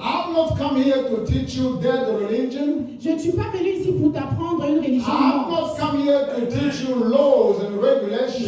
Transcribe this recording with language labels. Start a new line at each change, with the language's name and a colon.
English: I'm not come here to teach you dead religion.
French: Je ne suis pas venu ici pour t'apprendre une religion.
English: I'm not come here to teach you laws and regulations.